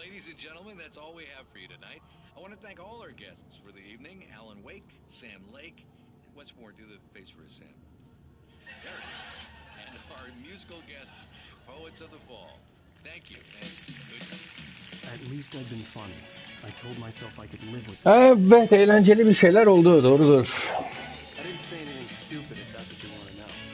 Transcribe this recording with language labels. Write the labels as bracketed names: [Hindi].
[English] Ladies and gentlemen, that's all we have for you tonight. I want to thank all our guests for the evening. Alan Wake, Sam Lake, and once more, do the face for a Sam. There it is. And our musical guests, Poets of the Fall. Thank you, and good night. At least I've been funny. I told myself I could live with that. [Turkish] Evet, eğlenceli bir şeyler oldu, doğrudur. [English] I didn't say anything stupid if that's what you want to know.